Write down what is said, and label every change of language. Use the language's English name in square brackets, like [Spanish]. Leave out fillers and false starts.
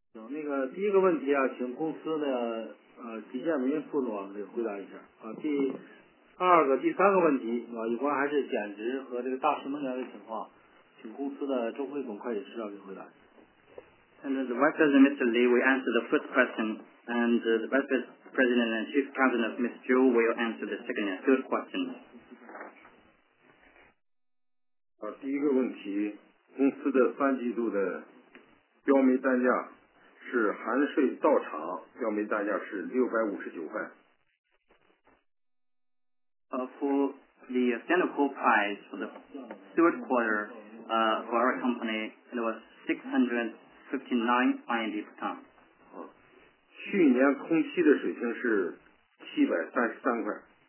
[Chinese] 那个第一个问题啊，请公司的吉建明副总给回答一下啊。第二个、第三个问题啊，有关还是减值和这个大势能源的情况，请公司的周辉总会计师给回答一下。 [English] And the Vice President Mr. Lee will answer the first question, and the Vice President and Chief Cabinet Ms. Zhou will answer the second and third question. [Chinese] 啊，第一个问题，公司的三季度的标煤单价。是含税到场标煤单价是659块。 [English] For the standard coal price for the third quarter, for our company, it was 659 RMB per ton. [Chinese] 去年空期的水平是733块。